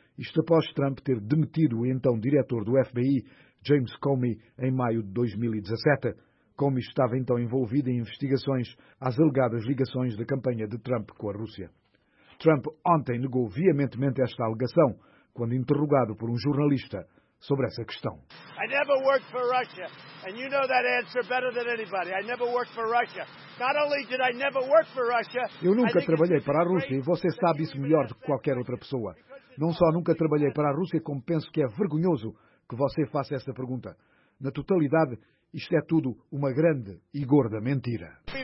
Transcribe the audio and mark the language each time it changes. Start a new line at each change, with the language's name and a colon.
Portuguese: Isto após Trump ter demitido o então diretor do FBI, James Comey, em maio de 2017. Comey estava então envolvido em investigações às alegadas ligações da campanha de Trump com a Rússia. Trump ontem negou veementemente esta alegação, quando interrogado por um jornalista sobre essa questão.
English: I never worked for Russia, and you know that answer better than anybody. I never worked for Russia. Not only did I never work for Russia.
Portuguese: Eu nunca trabalhei para a Rússia e você sabe isso melhor do que qualquer outra pessoa. Não só nunca trabalhei para a Rússia, como penso que é vergonhoso que você faça essa pergunta. Na totalidade, isto é tudo uma grande e gorda mentira.